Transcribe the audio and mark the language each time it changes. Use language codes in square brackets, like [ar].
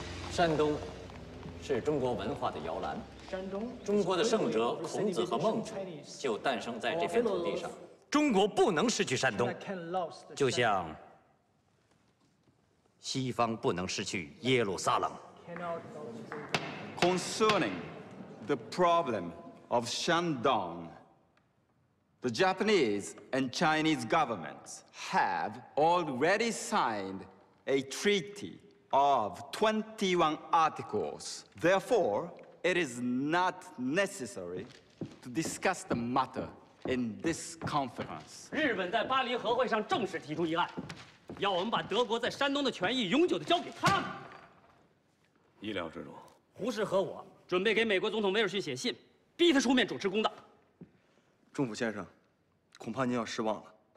[zh] 山东是中国文化的摇篮，中国的圣哲孔子和孟子就诞生在这片土地上。中国不能失去山东，就像西方不能失去耶路撒冷。 [en] Concerning the problem of Shandong, the Japanese and Chinese governments have already signed a treatyOf 21 articles. Therefore, it is not necessary to discuss the matter in this conference. [zh] 日本在巴黎和会上正式提出议案，要我们把德国在山东的权益永久地交给他们。意料之中。胡适和我准备给美国总统威尔逊写信，逼他出面主持公道。仲甫先生，恐怕您要失望了。